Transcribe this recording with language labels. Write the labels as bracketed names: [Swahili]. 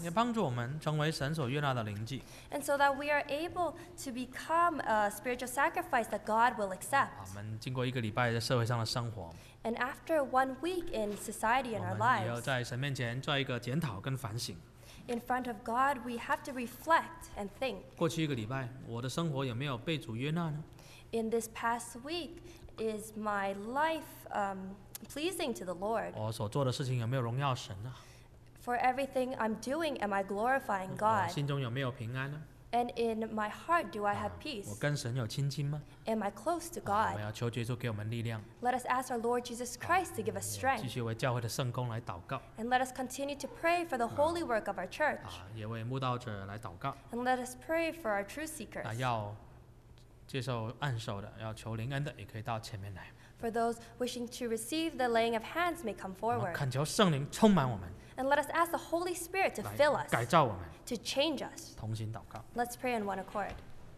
[English] And so that we are able to become a spiritual sacrifice that God will accept. And after 1 week in society and our lives, in front of God, we have to reflect and think. [Chinese] 过去一个礼拜, 我的生活有没有被主悦纳呢? [English] In this past week, is my life pleasing to the Lord? [Chinese] 我所做的事情有没有荣耀神呢? [English] For everything I'm doing, am I glorifying God? [Chinese] 我心中有没有平安呢? [English] And in my heart, do I have peace? [Chinese] 我跟神有亲近吗? [English] Am I close to God? [Chinese] 我们要求耶稣给我们力量。 [English] Let us ask our Lord Jesus Christ to give us strength. [Chinese] 继续为教会的圣工来祷告。 [English] And let us continue to pray for the holy work of our church. [Chinese] 也为慕道者来祷告。 [English] And let us pray for our truth seekers. [Chinese] 要接受按手的, 要求灵恩的, 也可以到前面来。 [English] For those wishing to receive the laying of hands may come forward. [Chinese] 恳求圣灵充满我们。 [English] And let us ask the Holy Spirit to fill us, to change us. Let's pray in one accord.